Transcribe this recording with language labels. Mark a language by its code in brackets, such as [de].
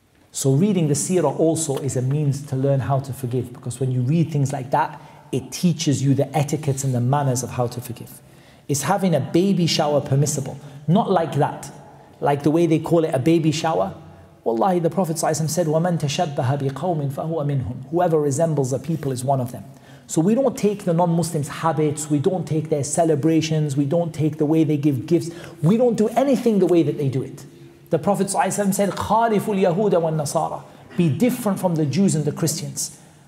[en] So reading the seerah also is a means to learn how to forgive. Because when you read things like that, it teaches you the etiquettes and the manners of how to forgive. Is having a baby shower permissible? Not like that. Like the way they call it, a baby shower. Wallahi, the Prophet ﷺ said, [ar] وَمَن تَشَبَّهَ بِقَوْمٍ فَهُوَ مِنْهُمْ. [en] Whoever resembles a people is one of them. So we don't take the non-Muslims' habits, we don't take their celebrations, we don't take the way they give gifts, we don't do anything the way that they do it. The Prophet ﷺ said, [ar] خَالِفُ الْيَهُودَ وَالنَّصَارَى. [en] Be different from the Jews and the Christians.